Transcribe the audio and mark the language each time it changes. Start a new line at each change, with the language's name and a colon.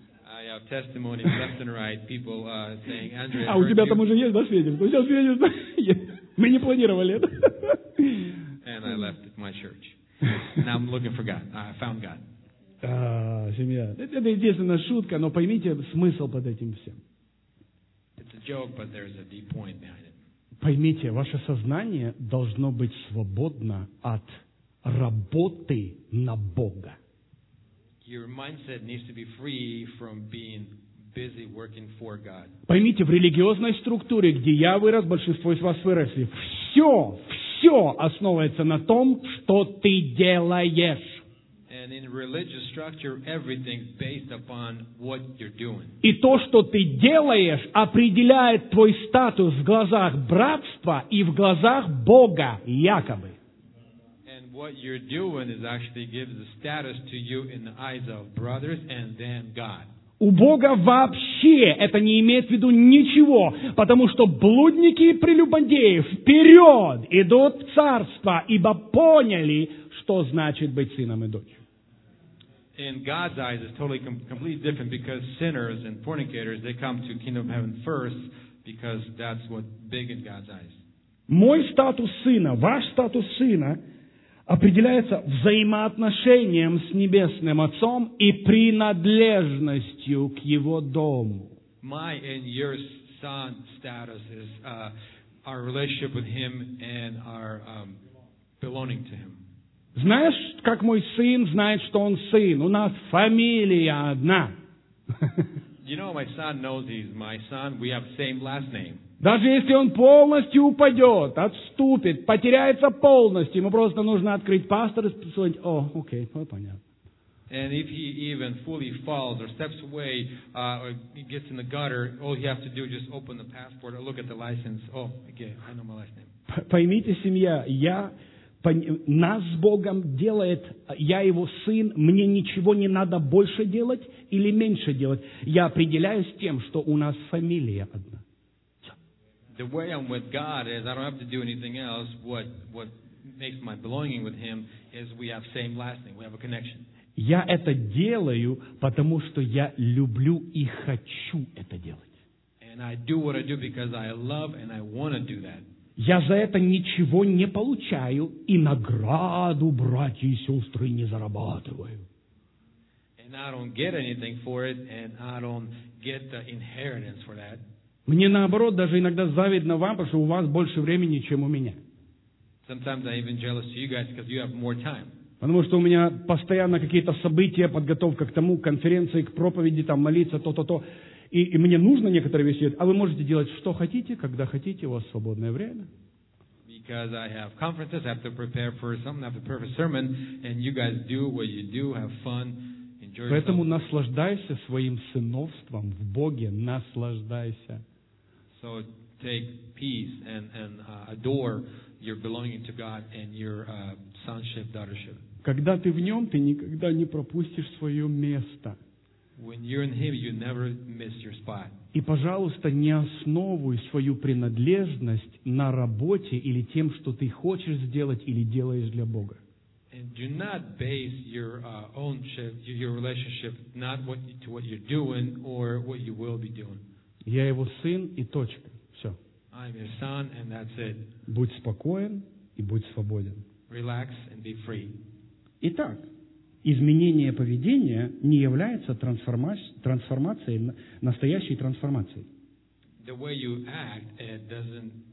English: I have testimonies left and right. People saying, Andrew,
Russian: а у тебя там уже есть, да, свидетельство? Сейчас свидетельство. Мы не планировали это.
English: And I left my church. Now I'm looking for God. I found God.
Russian: Семья. Это единственная шутка, но поймите смысл под этим всем.
English: It's a joke, but there's a deep point behind it.
Russian: Поймите, ваше сознание должно быть свободно от работы на Бога.
English: Your mindset needs to be free from being busy working for God.
Russian: Поймите, в религиозной структуре, где я вырос, большинство из вас выросли, все основывается на том, что ты делаешь.
English: And in religious structure, everything's based upon what you're doing.
Russian: И то, что ты делаешь, определяет твой статус в глазах братства и в глазах Бога, якобы.
English: What you're doing is actually gives a status to you in the eyes of brothers and then God.
Russian: У Бога вообще это не имеет в виду ничего, потому что блудники и прелюбодеи вперед идут в царство, ибо поняли, что значит быть сыном и дочерью.
English: In God's eyes, it's totally completely different because sinners and fornicators, they come to kingdom of heaven first because that's what's big in God's eyes.
Russian: Мой статус сына, ваш статус сына определяется взаимоотношением с Небесным Отцом и принадлежностью к Его дому.
English: My and your son status is our relationship with Him and our belonging to Him.
Russian: Знаешь, как мой сын знает, что он сын? У нас фамилия одна.
English: You know, my son knows he's my son. We have the same last name.
Russian: Даже если он полностью упадет, отступит, потеряется полностью, ему просто нужно открыть пастор и спросить, о, окей, ну, понятно.
English: And if he even fully falls or steps away, or gets in the gutter, all he has to do is just open the passport or look at the license. Oh, okay, I know my last name.
Russian: Поймите, семья, нас с Богом делает, я его сын, мне ничего не надо больше делать или меньше делать. Я определяюсь тем, что у нас фамилия одна.
English: The way I'm with God is I don't have to do anything else. What makes my belonging with Him is we have same last name. We have a connection.
Russian: Я это делаю, потому что я люблю и хочу это делать.
English: And I do what I do because I love and I want to do that.
Russian: Я за это ничего не получаю и награду, братья и сестры, не зарабатываю.
English: And I don't get anything for it and I don't get the inheritance for that.
Russian: Мне наоборот даже иногда завидно вам, потому что у вас больше времени, чем у меня.
English: Sometimes I'm even jealous to you guys because you have more time.
Russian: Потому что у меня постоянно какие-то события, подготовка к тому, конференции, к проповеди, там молиться, то-то-то. И мне нужно некоторые вещи делать. А вы можете делать что хотите, когда хотите, у вас свободное время.
English: Because I have conferences, I have to prepare for something, I have to prepare for a sermon, and you guys do what you do, have fun.
Russian: Поэтому наслаждайся своим сыновством в Боге, наслаждайся.
English: So take peace and adore your belonging to God and your sonship, daughtership.
Russian: Когда ты в нем, ты никогда не пропустишь свое место.
English: When you're in Him, you never miss your spot.
Russian: И, пожалуйста, не основывай свою принадлежность на работе или тем, что ты хочешь сделать или делаешь для Бога.
English: And do not base your own your relationship not what to what you're doing or what you will be doing.
Russian: Я его сын и точка. Все.
English: I'm your son and that's it.
Russian: Будь спокоен и будь свободен.
English: Relax and be free.
Russian: Итак, изменение поведения не является трансформацией настоящей трансформацией.
English: The way you act it doesn't.